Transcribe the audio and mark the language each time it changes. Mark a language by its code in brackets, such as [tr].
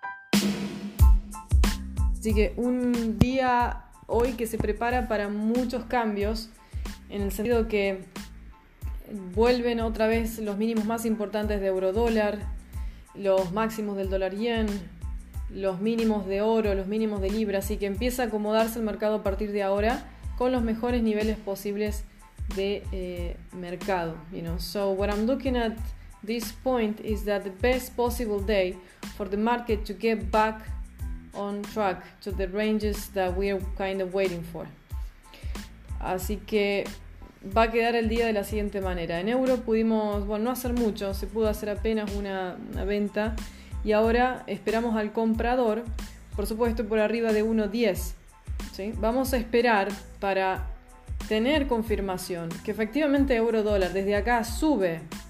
[es] Así que un día hoy que se prepara para muchos cambios, en el sentido que vuelven otra vez los mínimos más importantes de eurodólar, los máximos del dólar yen, los mínimos de oro, los mínimos de libra. Así que empieza a acomodarse el mercado a partir de ahora con los mejores niveles posibles de mercado. [en] You know, so what I'm looking at this point is that the best possible day for the market to get back on track to the ranges that we are kind of waiting for. [es] Así que va a quedar el día de la siguiente manera. En euro pudimos, bueno, no hacer mucho, se pudo hacer apenas una venta. Y ahora esperamos al comprador, por supuesto por arriba de 1.10. ¿Sí? Vamos a esperar para tener confirmación que efectivamente euro dólar desde acá sube.